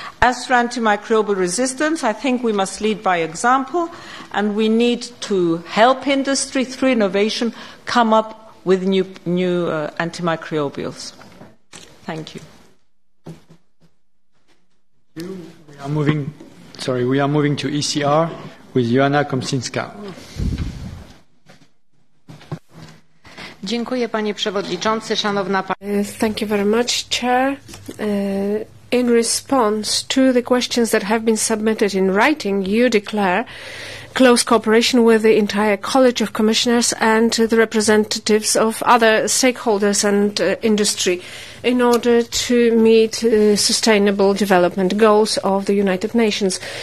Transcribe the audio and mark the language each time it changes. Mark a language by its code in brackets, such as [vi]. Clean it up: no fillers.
[en] As for antimicrobial resistance, I think we must lead by example, and we need to help industry through innovation come up with new antimicrobials. Thank you. We are moving to ECR with Joanna Komsinska. [pl] Dziękuję, panie przewodniczący, szanowna pani. [en] Thank you very much, Chair. In response to the questions that have been submitted in writing, you declare close cooperation with the entire College of Commissioners and the representatives of other stakeholders and industry in order to meet sustainable development goals of the United Nations.